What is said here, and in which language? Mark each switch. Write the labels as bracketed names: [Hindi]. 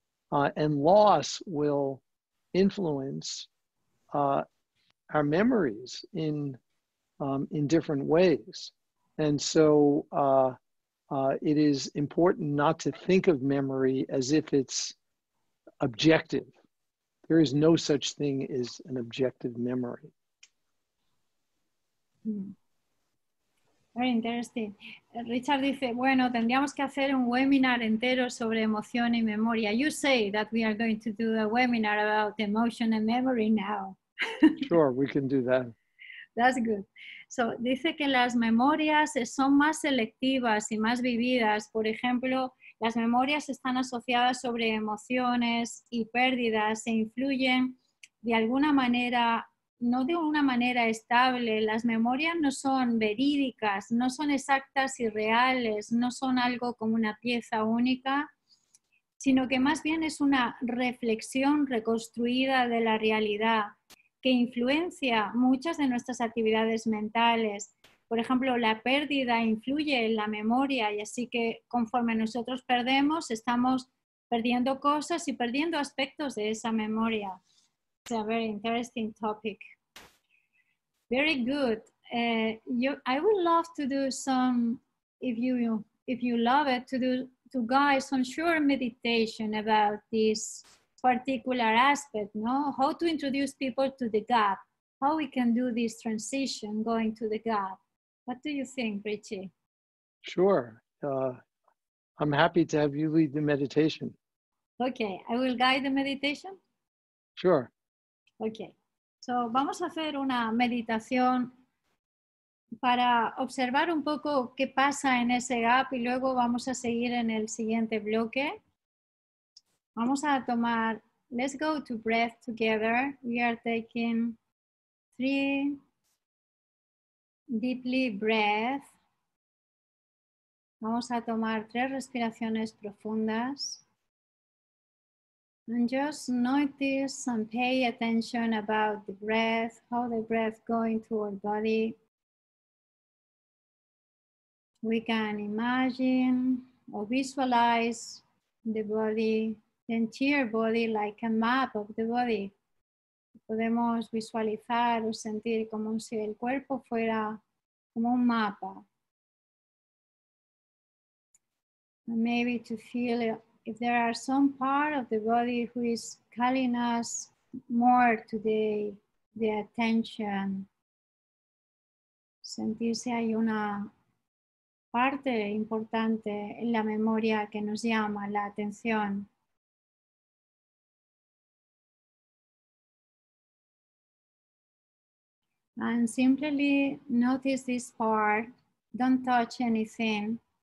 [English] And loss will influence our memories in different ways. And so it is important not to think of memory as if it's objective. There is no such thing as an objective memory. Very interesting. [Spanish] Richard dice, bueno, tendríamos que hacer un webinar entero sobre emoción y memoria. [English] You say that we are going to do a webinar about emotion and memory now. Sure, we can do that. That's good. [Spanish] So, dice que las memorias son más selectivas y más vividas. Por ejemplo, las memorias están asociadas sobre emociones y pérdidas e influyen de alguna manera, no de una manera estable. Las memorias no son verídicas, no son exactas y reales, no son algo como una pieza única, sino que más bien es una reflexión reconstruida de la realidad que influencia muchas de nuestras actividades mentales. Por ejemplo, la pérdida influye en la memoria, y así que conforme nosotros perdemos, estamos perdiendo cosas y perdiendo aspectos de esa memoria. [English] It's a very interesting topic. Very good. I would love to do some, if you love it, to guide some short meditation about this particular aspect, no? How to introduce people to the gap, how we can do this transition going to the gap. What do you think, Richie? Sure. I'm happy to have you lead the meditation. Okay, I will guide the meditation. Sure. [Spanish] Okay, so vamos a hacer una meditación para observar un poco qué pasa en ese gap y luego vamos a seguir en el siguiente bloque. Vamos a tomar, [English] let's go to breath together. We are taking 3 deeply breath. [Spanish] Vamos a tomar tres respiraciones profundas. [English] And just notice and pay attention about the breath, how the breath going to our body. We can imagine or visualize the body, the entire body, like a map of the body. [Spanish] Podemos visualizar o sentir como si el cuerpo fuera como un mapa. [English] And maybe to feel if there are some part of the body who is calling us more today, the attention. [Spanish] Sentir si hay una parte importante en la memoria que nos llama la atención. [English] And simply notice this part. Don't touch anything.